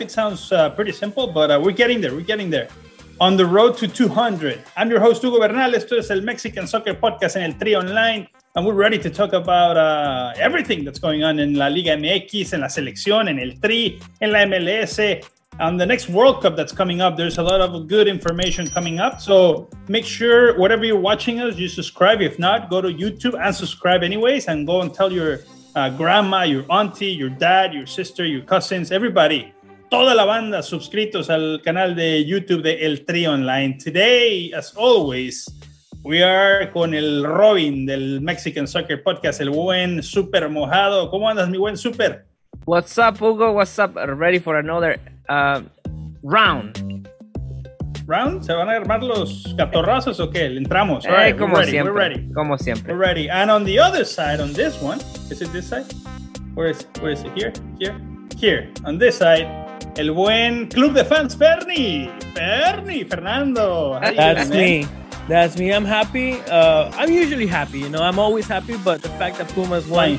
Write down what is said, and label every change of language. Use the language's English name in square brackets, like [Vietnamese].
[English] It sounds pretty simple, but we're getting there. We're getting there. On the road to 200. I'm your host, Hugo Bernal. [Spanish] Esto es el Mexican Soccer Podcast en el Tri Online. [English] And we're ready to talk about everything that's going on in La Liga MX, [Spanish] en la selección, en el Tri, en la MLS. [English] On the next World Cup that's coming up, there's a lot of good information coming up. So make sure, whatever you're watching us, you subscribe. If not, go to YouTube and subscribe anyways. And go and tell your grandma, your auntie, your dad, your sister, your cousins, everybody. [Spanish] Toda la banda suscritos al canal de YouTube de El Tri Online. [English] Today, as always, we are [Spanish] con el Robin del [English] Mexican Soccer Podcast, [Spanish] el buen Super Mojado. ¿Cómo andas, mi buen Super? [English] What's up, Hugo? What's up? Ready for another round. ¿Round? [Spanish] ¿Se van a armar los catorrazos o qué? Entramos. [English] All right, [Spanish] como [English] we're ready. [Spanish] Siempre. [English] We're ready. [Spanish] Como siempre. [English] We're ready. And on the other side, on this one, is it this side? Where is it? Here. On this side, [Spanish] el buen club de fans, [English] Fernando. That's me. That's me. I'm happy. I'm usually happy, you know. I'm always happy, but the fact that Pumas won,